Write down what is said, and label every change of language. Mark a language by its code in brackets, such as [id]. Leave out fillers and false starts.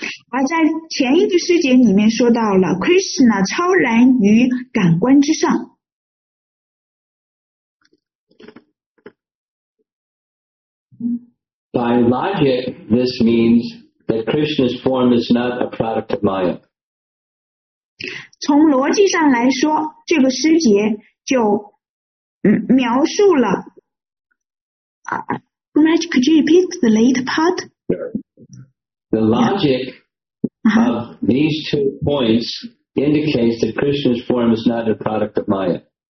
[zh] 而在前一个诗节里面说到了 Krishna 超然于感官之上。 [en] By logic, this means that Krishna's form is not a product of Maya. [zh] 从逻辑上来说，这个诗节就描述了。 [en] Gumaraj, could you repeat the late part? The logic of these two points indicates that Krishna's form is not a product of Maya.